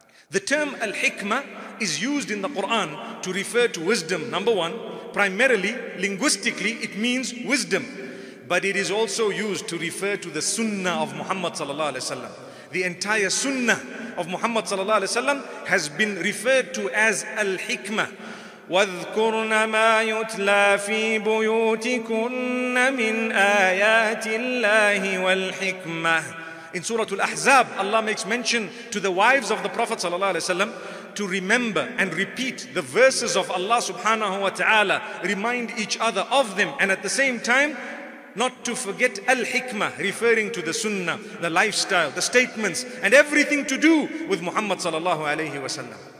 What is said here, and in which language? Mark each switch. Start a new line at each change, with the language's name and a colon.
English: The term al-hikmah is used in the Quran to refer to wisdom. Number one, primarily, linguistically, it means wisdom. But it is also used to refer to the sunnah of Muhammad sallallahu alayhi wa sallam. The entire sunnah of Muhammad sallallahu alayhi wa sallam has been referred to as al-hikmah.
Arabic: واذكرن ما يتلى في بيوتكن من آيات الله والحكمة.
English: In Surah Al-Ahzab, Allah makes mention to the wives of the Prophet sallallahu alaihi wasallam to remember and repeat the verses of Allah subhanahu wa ta'ala, remind each other of them, and at the same time not to forget al-hikmah, referring to the sunnah, the lifestyle, the statements, and everything to do with Muhammad sallallahu alaihi wasallam.